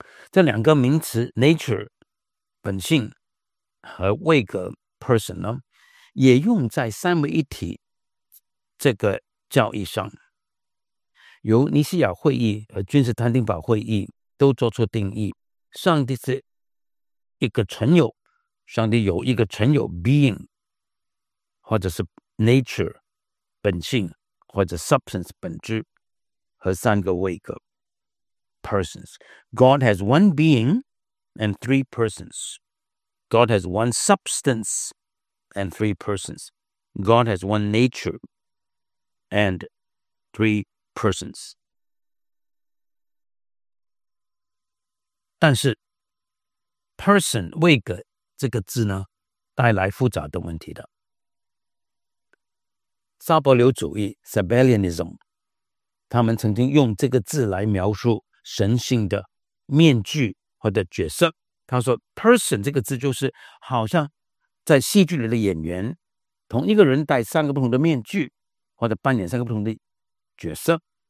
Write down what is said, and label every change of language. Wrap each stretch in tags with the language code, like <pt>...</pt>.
<zh>这两个名词 nature 本性和位格 person 呢，也用在三位一体这个教义上，由尼西亚会议和君士坦丁堡会议都做出定义。上帝是一个存有，上帝有一个存有 being， 或者是 nature 本性，或者 substance 本质，和三个位格。</zh> <en>Persons. God has one being and three persons. God has one substance and three persons. God has one nature and three persons.</en> <zh>但是 person 位格这个字呢，带来复杂的问题的。撒伯流主义 Sabellianism， 他们曾经用这个字来描述神性的面具或者角色，他说 person 这个字就是好像在戏剧里的演员，同一个人戴三个不同的面具，或者扮演三个不同的角色。</zh>